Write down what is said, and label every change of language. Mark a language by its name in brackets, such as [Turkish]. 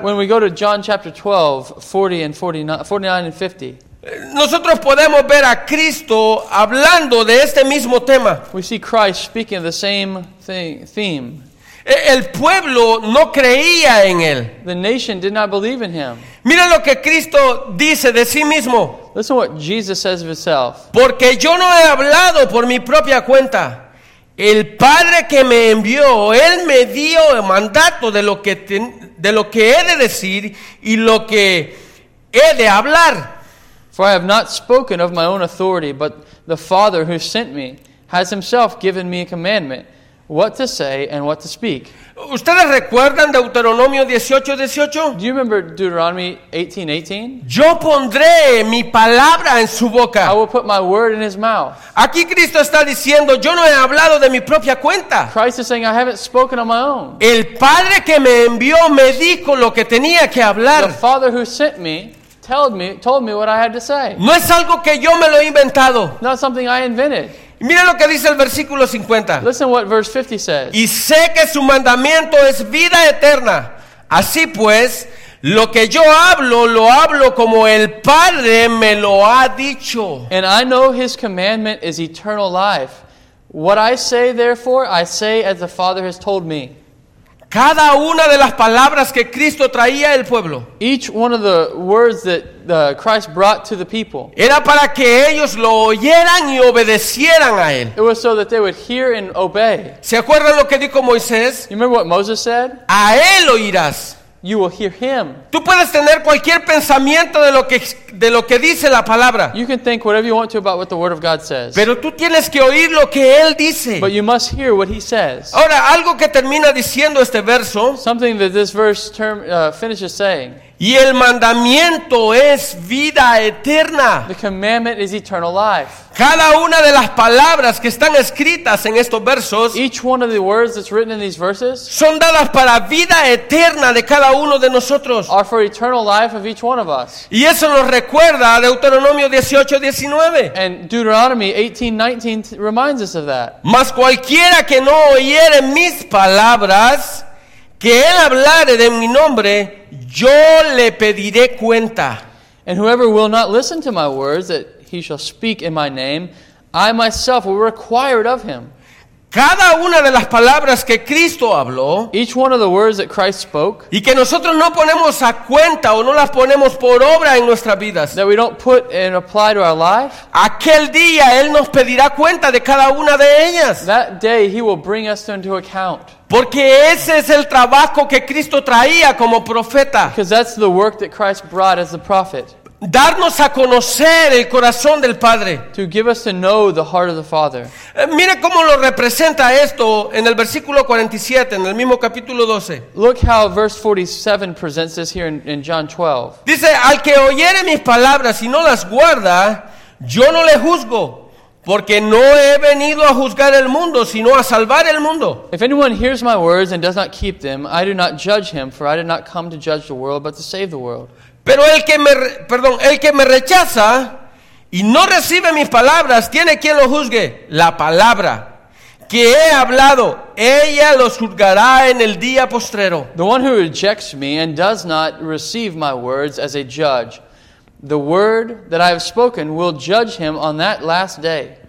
[English] When we go to John chapter 12, 40 and 49, 49 and 50. [Spanish] Nosotros podemos ver a Cristo hablando de este mismo tema. [English] We see Christ speaking the same theme. [Spanish] El pueblo no creía en él. [English] The nation did not believe in him. [Spanish] Mira lo que Cristo dice de sí mismo. [English] Listen what Jesus says of himself. [Spanish] Porque yo no he hablado por mi propia cuenta. El Padre que me envió, Él me dio el mandato de lo que he de decir y lo que he de hablar. [English] For I have not spoken of my own authority, but the Father who sent me has himself given me a commandment, what to say and what to speak. [Spanish] ¿Ustedes recuerdan Deuteronomio 18:18? [English] Do you remember Deuteronomy 18:18? [Spanish] Yo pondré mi palabra en su boca. [English] I will put my word in his mouth. [Spanish] Aquí Cristo está diciendo, yo no he hablado de mi propia cuenta. [English] Christ is saying, I haven't spoken on my own. [Spanish] El Padre que me envió me dijo lo que tenía que hablar. [English] The Father who sent me told me what I had to say. [Spanish] No es algo que yo me lo he inventado. [English] Not something I invented. [Spanish] Mira lo que dice el versículo 50. [English] Listen what verse 50 says. [Spanish] Y sé que su mandamiento es vida eterna. Así pues, lo que yo hablo, lo hablo como el Padre me lo ha dicho. [English] And I know his commandment is eternal life. What I say, therefore, I say as the Father has told me. [Spanish] Cada una de las palabras que Cristo traía al pueblo. [English] Each one of the words that Christ brought to the people. [Spanish] Era para que ellos lo oyeran y obedecieran a él. [English] It was so that they would hear and obey. [Spanish] ¿Se acuerdan lo que dijo Moisés? [English] You remember what Moses said? [Spanish] A él oirás. [English] You will hear him. [Spanish] Tú puedes tener cualquier pensamiento de lo que dice la palabra. [English] You can think whatever you want to about what the word of God says. [Spanish] Pero tú tienes que oír lo que él dice. [English] But you must hear what he says. [Spanish] Ahora, algo que termina diciendo este verso. [English] Something that this verse finishes saying. [Spanish] Y el mandamiento es vida eterna. [English] The commandment is eternal life. [Spanish] Cada una de las palabras que están escritas en estos versos, [English] each one of the words that's written in these verses, [Spanish] son dadas para vida eterna de cada uno de nosotros, [English] are for eternal life of each one of us. [Spanish] Y eso nos recuerda a Deuteronomio 18:19. [English] And Deuteronomy 18:19 reminds us of that. [Spanish] Mas cualquiera que no oyere mis palabras, que él hablare de mi nombre, yo le pediré cuenta. [English] And whoever will not listen to my words that he shall speak in my name, I myself will require it of him. [Spanish] Cada una de las palabras que Cristo habló, [English] each one of the words that Christ spoke, [Spanish] y que nosotros no ponemos a cuenta o no las ponemos por obra en nuestras vidas, [English] that we don't put and apply to our life, [Spanish] aquel día él nos pedirá cuenta de cada una de ellas. [English] That day he will bring us into account. [Spanish] Porque ese es el trabajo que Cristo traía como profeta. [English] Because that's the work that Christ brought as the prophet. [Spanish] Darnos a conocer el corazón del Padre. [English] To give us to know the heart of the Father. [Spanish] Mira cómo lo representa esto en el versículo 47, en el mismo capítulo 12. [English] Look how verse 47 presents this here in John 12. [Spanish] Dice, al que oyere mis palabras y no las guarda, yo no le juzgo. Porque no he venido a juzgar el mundo, sino a salvar el mundo. [English] If anyone hears my words and does not keep them, I do not judge him, for I did not come to judge the world, but to save the world. [Spanish] Pero el que me rechaza y no recibe mis palabras, tiene quien lo juzgue, la palabra que he hablado, ella los juzgará en el día postrero. [English] The one who rejects me and does not receive my words as a judge, the word that I have spoken will judge him on that last day.